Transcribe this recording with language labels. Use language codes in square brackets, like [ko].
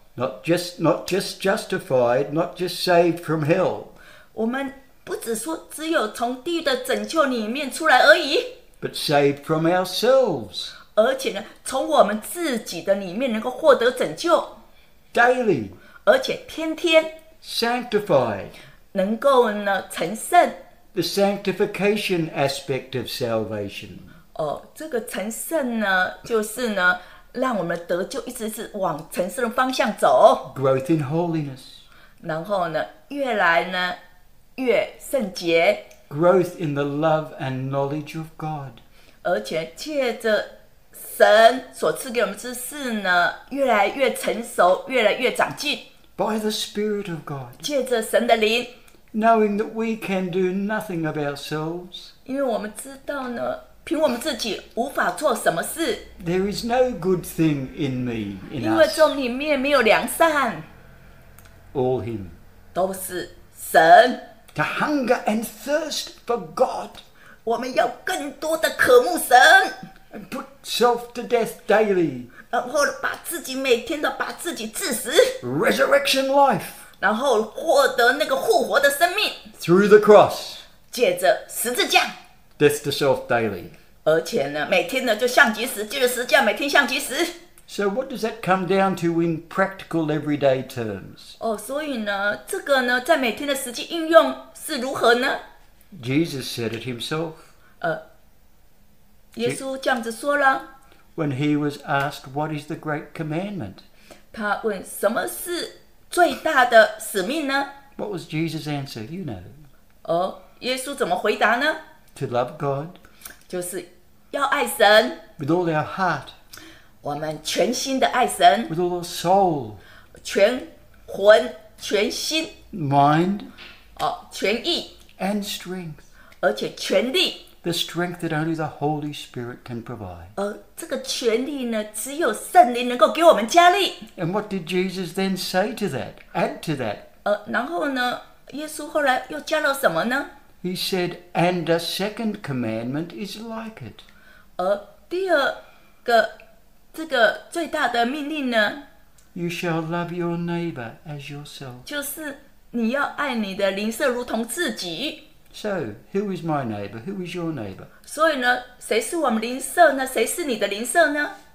[en] Not just justified, not just saved from hell. [zh] 我们不只说只有从地狱的拯救里面出来而已。 [en] But saved from ourselves. [zh] 而且呢，从我们自己的里面能够获得拯救。 [en] Daily. [zh] 而且天天。 [en] Sanctified. [zh] 能够呢成圣。 [en] The sanctification aspect of salvation. [zh] 这个成圣呢，就是呢，让我们得救一直是往成圣的方向走。 [en] Growth in holiness. [zh] 然后呢，越来呢越圣洁。 [en] Growth in the love and knowledge of God. [zh] 而且借着神所赐给我们知识呢，越来越成熟，越来越长进。 [en] By the Spirit of God. [zh] 借着神的灵。 [en] Knowing that we can do nothing of ourselves. [zh] 因为我们知道呢，凭我们自己无法做什么事。 [en] There is no good thing in me, in us. [zh] 因为从里面没有良善。 [en] All Him. [zh] 都是神。 [en] To hunger and thirst for God. [zh] 我们要更多的渴慕神。 [en] And put self to death daily. [zh] 然后把自己每天的把自己致死。 [en] Resurrection life. [zh] 然后获得那个复活的生命。 [en] Through the cross. [zh] 借着十字架。 [en] Death to self daily. [zh] 而且呢，每天呢就向己死，借着十字架每天向己死。 [en] So what does that come down to in practical everyday terms? [zh] 所以呢，这个呢，在每天的实际应用是如何呢？ [en] Jesus said it himself. [zh] 耶稣这样子说了。 [en] When he was asked, what is the great commandment? [zh] 他问什么是最大的使命呢？ [en] What was Jesus' answer? You know. [zh] 耶稣怎么回答呢？ [en] To love God. [zh] 就是要爱神。 [en] With all our heart. [zh] 我们全心的爱神 [en] With all our soul [zh] 全魂全心 [en] mind [zh] 哦全意 [en] and strength [zh] 而且全力 [en] the strength that only the Holy Spirit can provide [zh] 这个全力呢只有圣灵能够给我们加力 [en] and what did Jesus then say to that add to that [zh] 然后呢耶稣后来又加了什么呢 [en] he said and a second commandment is like it [zh] 第二个这个最大的命令呢 [en] You shall love your neighbor as yourself [zh] 就是你要爱你的邻舍如同自己 [en] So, who is my neighbor? Who is your neighbor? [zh] 所以呢谁是我们邻舍呢谁是你的邻舍呢